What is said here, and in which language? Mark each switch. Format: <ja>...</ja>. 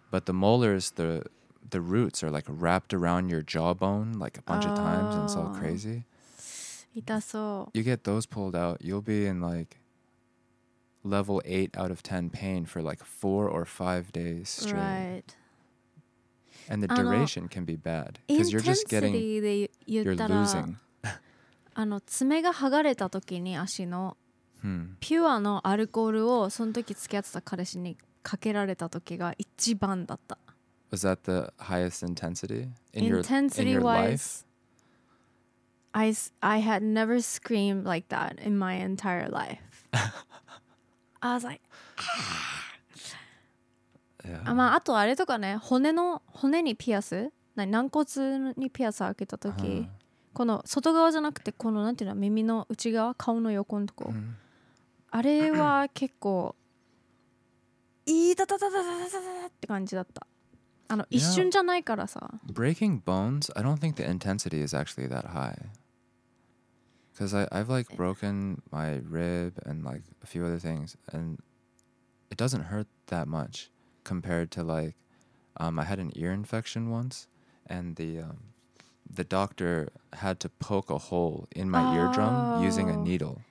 <en>But the molars, the roots are like wrapped around your jawbone like a bunch of times and it's all crazy.</en> <ja>痛そう。</ja> <en>You get those pulled out, you'll be in like level 8 out of 10 pain for like 4 or 5 days straight. Right. And the duration can be bad because you're just getting you're losing.</en> <ja>あの爪が剥がれた時に足の、ピュアのアルコールをその時付き合ってた彼氏にかけられた時が一番だった。</ja> <en>Was that the highest intensity in your life? I had never screamed like that in my entire life. I was like, yeah.</en> <ja>あとあれとかね、骨にピアス、軟骨にピアス開けた時、この外側じゃなくてこのなんていうの、耳の内側、顔の横のとこ、あれは結構いいだだだだだだだだって感じだった。あの、一瞬じゃないからさ。</ja> <en>Breaking bones, I don't think the intensity is actually that high. Because I've like broken my rib and like a few other things, and it doesn't hurt that much compared to like, I had an ear infection once, and the doctor had to poke a hole in my eardrum using a needle.</en>